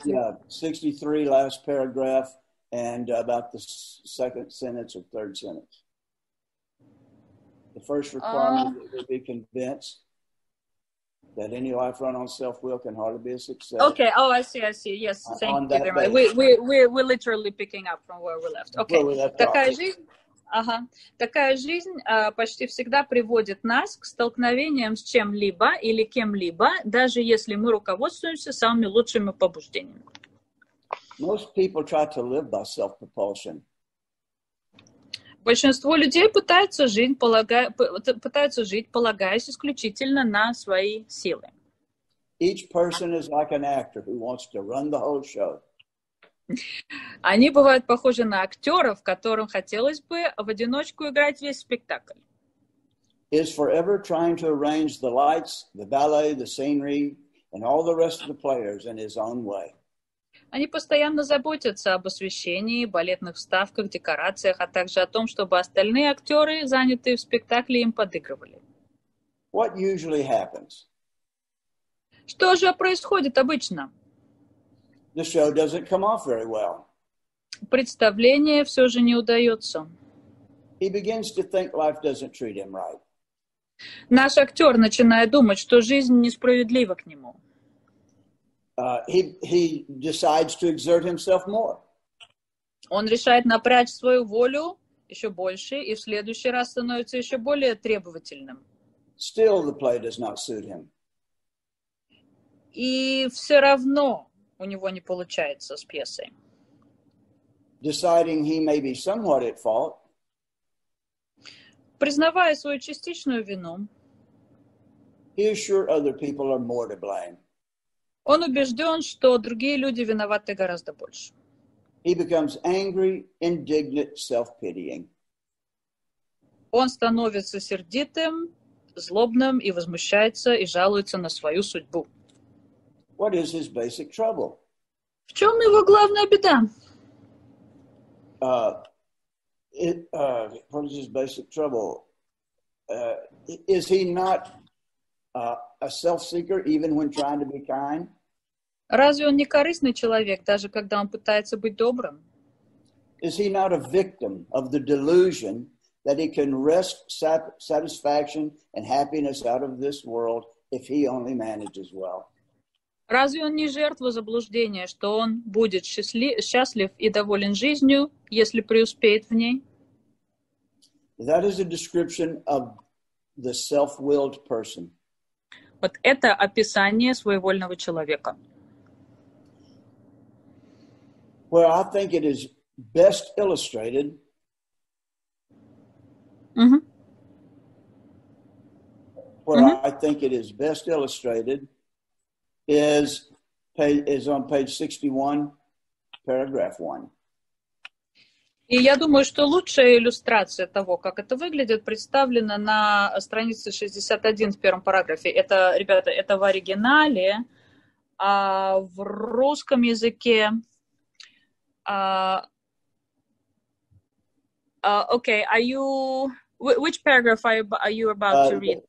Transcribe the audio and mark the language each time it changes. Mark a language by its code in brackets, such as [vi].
[en] Yeah, 63, last paragraph, and about the second sentence or third sentence. The first requirement is to be convinced that any life run on self-will can hardly be a success. Okay, oh, I see. Yes, thank you very much. We're literally picking up from where we left. [ru] Okay, такая жизнь почти всегда приводит нас к столкновениям с чем-либо или кем-либо, даже если мы руководствуемся самыми лучшими побуждениями. [en] Most people try to live by self-propulsion. [ru] Большинство людей пытаются жить, полагаясь исключительно на свои силы. [en] Each person is like an actor who wants to run the whole show. [ru] Они бывают похожи на актеров, которым хотелось бы в одиночку играть весь спектакль. [en] Is forever trying to arrange the lights, the ballet, the scenery, and all the rest of the players in his own way. [ru] Они постоянно заботятся об освещении, балетных вставках, декорациях, а также о том, чтобы остальные актеры, занятые в спектакле, им подыгрывали. [en] What usually happens? [ru] Что же происходит обычно? [en] The show doesn't come off very well. [ru] Представление все же не удается. [en] He begins to think life doesn't treat him right. [ru] Наш актер начинает думать, что жизнь несправедлива к нему. [en] He decides to exert himself more. [ru] Он решает напрячь свою волю еще больше и в следующий раз становится еще более требовательным. [en] Still the play does not suit him. [ru] И все равно у него не получается с пьесой. [en] Deciding he may be somewhat at fault. [ru] Признавая свою частичную вину. [en] He is sure other people are more to blame. [ru] Он убежден, что другие люди виноваты гораздо больше. [en] He becomes angry, indignant, self-pitying. [ru] Он становится сердитым, злобным и возмущается и жалуется на свою судьбу. [en] What is his basic trouble? [ru] В чем его главная беда? [en] What is his basic trouble? Is he not a self-seeker even when trying to be kind? [ru] Разве он не корыстный человек, даже когда он пытается быть добрым? [en] Is he not a victim of the delusion that he can wrest satisfaction and happiness out of this world if he only manages well? [ru] Разве он не жертва заблуждения, что он будет счастлив и доволен жизнью, если преуспеет в ней? [en] That is a description of the self-willed person. [ru] Вот это описание своевольного человека. [en] Well, I think it is best illustrated. I think it is best illustrated is on page 61, paragraph 1. [ru] И я думаю, что лучшая иллюстрация того, как это выглядит, представлена на странице 61 в первом параграфе. Это, ребята, это в оригинале, а в русском языке. [en] Okay, are you, which paragraph are you about to read?